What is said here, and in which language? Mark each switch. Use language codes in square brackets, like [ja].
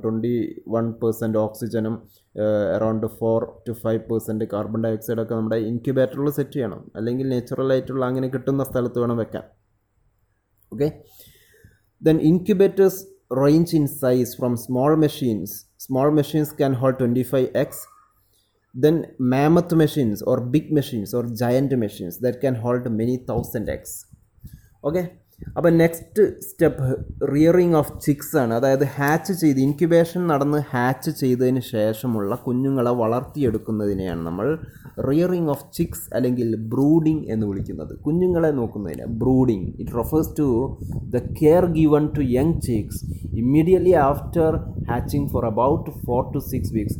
[ml] 21% ഓക്സിജനും around 4 to 5% carbon ഡയോക്സൈഡൊക്കെ നമ്മുടെ ഇൻക്യുബേറ്ററിൽ set ചെയ്യണം, അല്ലെങ്കിൽ നേച്ചുറലായിട്ടുള്ള അങ്ങനെ കിട്ടുന്ന സ്ഥലത്ത് വേണം വെക്കാൻ. [en] Okay, then incubators range in size from small machines. Small machines can hold 25 eggs. then mammoth machines or big machines or giant machines that can hold many thousand eggs. [ml] Okay, അപ്പം next step rearing of chicks ആണ്. അതായത് hatch ചെയ്ത് incubation നടന്ന് hatch ചെയ്തതിന് ശേഷമുള്ള കുഞ്ഞുങ്ങളെ വളർത്തിയെടുക്കുന്നതിനെയാണ് നമ്മൾ rearing of chicks അല്ലെങ്കിൽ ബ്രൂഡിങ് എന്ന് വിളിക്കുന്നത്. കുഞ്ഞുങ്ങളെ നോക്കുന്നതിന് brooding. [en] It refers to the care given to young chicks immediately after hatching for about 4 to 6 weeks.